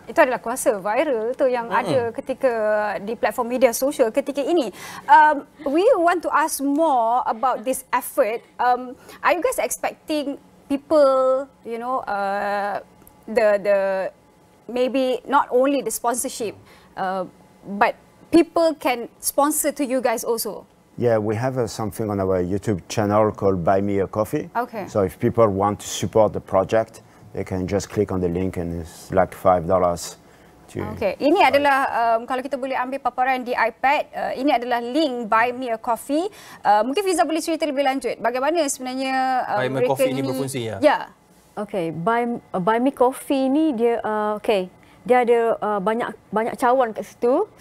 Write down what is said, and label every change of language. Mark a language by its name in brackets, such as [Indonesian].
[Malay] Itu adalah kuasa viral tu yang ada ketika di platform media sosial ketika ini. [English] We want to ask more about this effort. Are you guys expecting people, you know, the maybe not only the sponsorship, but people can sponsor to you guys also? Yeah, we have something on our YouTube channel called Buy Me a Coffee. Okay. So if people want to support the project, they can just click on the link and it's like $5 to... [Malay] Okay, ini adalah kalau kita boleh ambil paparan di iPad, ini adalah link Buy Me a Coffee. Mungkin Fizah boleh cerita lebih lanjut. Bagaimana sebenarnya Buy Me a Coffee ini berfungsi? Ya. [English] Yeah. [Malay] Okay, Buy Me Coffee ini dia, okay, dia ada banyak cawan kat situ.